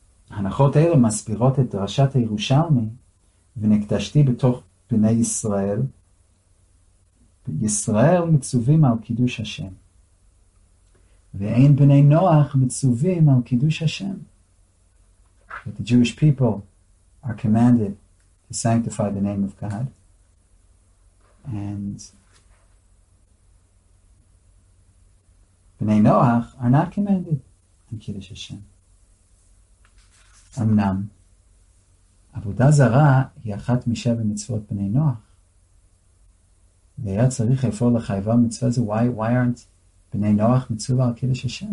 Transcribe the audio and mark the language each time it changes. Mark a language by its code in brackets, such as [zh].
[he] הנחות אלה מסבירות את דרשת הירושלמי ונקדשתי בתוך בני ישראל. ישראל מצווים על קידוש השם. ואין בני נוח מצווים על קידוש השם. [en] But the Jewish people are commanded to sanctify the name of God. And בני נוח are not commanded on קידוש השם. [he] אמנם, עבודה זרה היא אחת משבע מצוות בני נוח. והיה צריך לפעול לחייבה מצווה זו, [en] why aren't [he] בני נוח מצווה על קידוש השם?